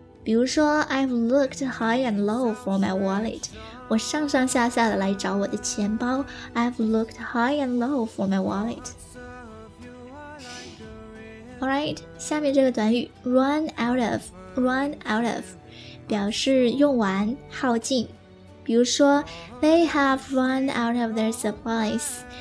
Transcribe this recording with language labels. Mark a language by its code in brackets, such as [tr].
[zh] 比如说 [en] I've looked high and low for my wallet. [zh] 我上上下下的来找我的钱包。 [en] I've looked high and low for my wallet. [zh] Alright, 下面这个短语 run out of, 表示用完、耗尽。比如说 [en] They have run out of their supplies.